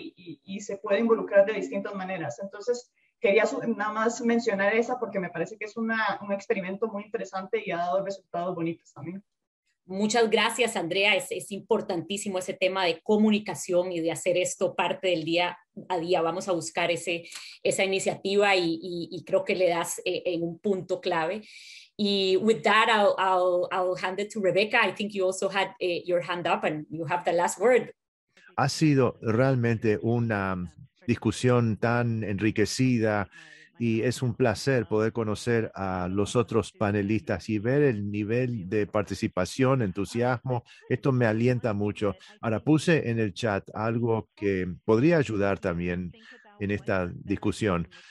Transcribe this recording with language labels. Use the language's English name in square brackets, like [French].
[Spanish] Y se puede involucrar de distintas maneras. Entonces, quería nada más mencionar esa porque me parece que es un experimento muy interesante y ha dado resultados bonitos también. Muchas gracias, Andrea. Es importantísimo ese tema de comunicación y de hacer esto parte del día a día. Vamos a buscar esa iniciativa y creo que le das en un punto clave. [English] Y with that, I'll hand it to Rebecca. I think you also had your hand up and you have the last word. [Spanish] Ha sido realmente una discusión tan enriquecida y es un placer poder conocer a los otros panelistas y ver el nivel de participación, entusiasmo. Esto me alienta mucho. Ahora puse en el chat algo que podría ayudar también en esta discusión.